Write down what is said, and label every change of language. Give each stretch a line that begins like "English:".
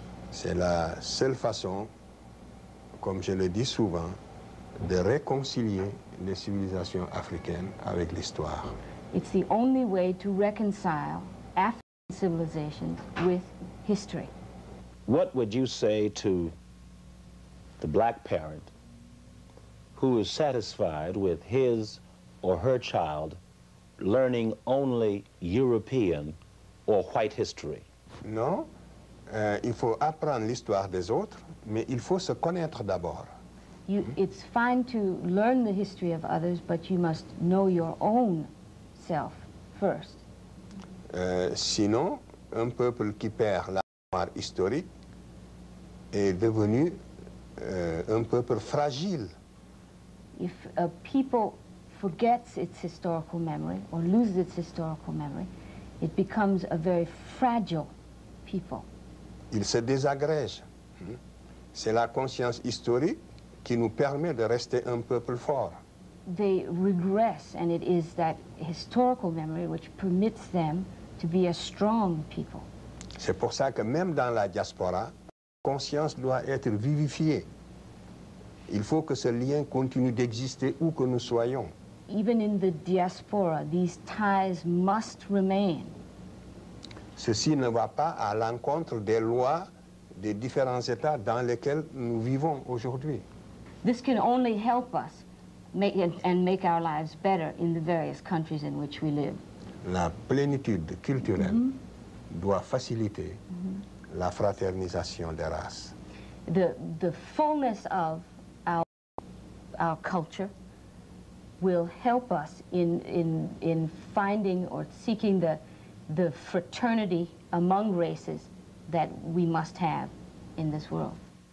French: C'est la seule façon, comme je le dis souvent, de réconcilier les civilisations africaines avec l'histoire.
English: It's the only way to reconcile African civilizations with history. What would you say to the black parent who is satisfied with his or her child learning only European or white history?
French: Non, il faut apprendre l'histoire des autres, mais il faut se connaître d'abord.
English: It's fine to learn the history of others, but you must know your own self first.
French: Sinon, un peuple qui perd la mémoire historique est devenu un peuple fragile.
English: If a people forgets its historical memory or loses its historical memory, it becomes a very fragile people.
French: Il se désagrège. C'est la conscience historique qui nous permet de rester un peuple fort.
English: They regress, and it is that historical memory which permits them to be a strong people.
French: C'est pour ça que même dans la diaspora, conscience doit être vivifiée. Il faut que ce lien continue d'exister où que nous soyons.
English: Even in the diaspora, these ties must remain.
French: Ceci ne va pas à l'encontre des lois des différents états dans lesquels nous vivons aujourd'hui.
English: This can only help us make and make our lives better in the various countries in which we live.
French: La plénitude culturelle doit faciliter la fraternisation des races.
English: The fullness of our culture will help us in finding or seeking the fraternity among races that we must have in this world.